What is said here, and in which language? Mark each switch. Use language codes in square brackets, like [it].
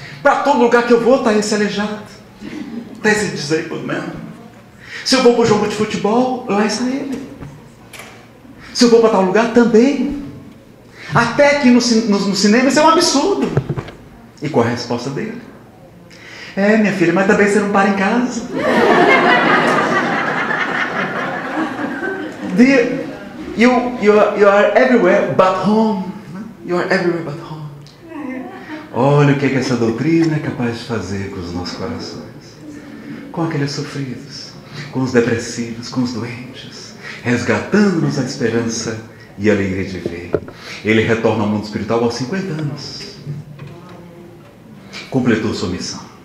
[pt] Para todo lugar que eu vou, está esse aleijado. Está esse [en] disabled man. [pt] Se eu vou para o jogo de futebol, lá está ele. Se eu vou para tal lugar, também. Até que no cinema isso é um absurdo. E qual é a resposta dele? É, minha filha, mas também você não para em casa. [en] Dear, you are everywhere but home. You are everywhere but home. [pt] Olha o que, é que essa doutrina é capaz de fazer com os nossos corações. Com aqueles sofridos, com os depressivos, com os doentes. Resgatando-nos a esperança e a alegria de viver. Ele retorna ao mundo espiritual aos 50 anos. Completou sua missão.